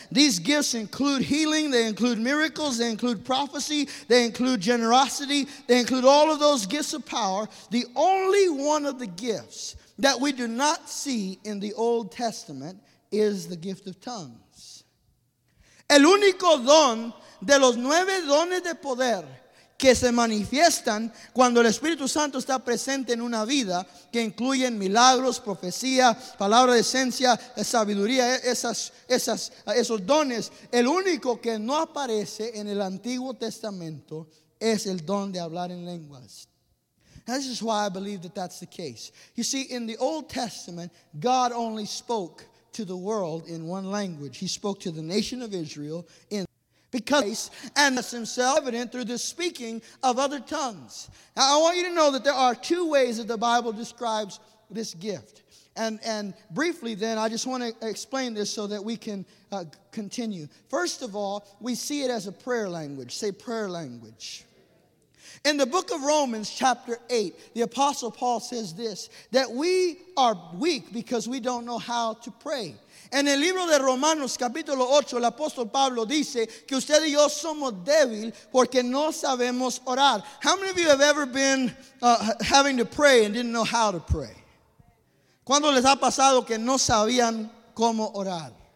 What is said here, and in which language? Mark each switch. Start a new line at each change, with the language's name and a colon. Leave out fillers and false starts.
English: These gifts include healing, they include miracles, they include prophecy, they include generosity, they include all of those gifts of power. The only one of the gifts that we do not see in the Old Testament is the gift of tongues.
Spanish: El único don de los 9 dones de poder que se manifiestan cuando el Espíritu Santo está presente en una vida que incluyen milagros, profecía, palabra de ciencia, sabiduría, esos dones. El único que no aparece en el Antiguo Testamento es el don de hablar en lenguas.
English: This is why I believe that that's the case. You see, in the Old Testament, God only spoke to the world in one language. He spoke to the nation of Israel in because and that's himself evident through the speaking of other tongues. Now, I want you to know that there are 2 ways that the Bible describes this gift. And briefly then, I just want to explain this so that we can continue. First of all, we see it as a prayer language. Say prayer language. In the book of Romans chapter 8, the Apostle Paul says this, that we are weak because we don't know how to pray.
Spanish: En el libro de Romanos capítulo 8, el apóstol Pablo dice que usted y yo somos débil porque no sabemos orar.
English: How many of you have ever been having to pray and didn't know how to pray?
Spanish: ¿Cuándo les ha pasado que no sabían cómo orar?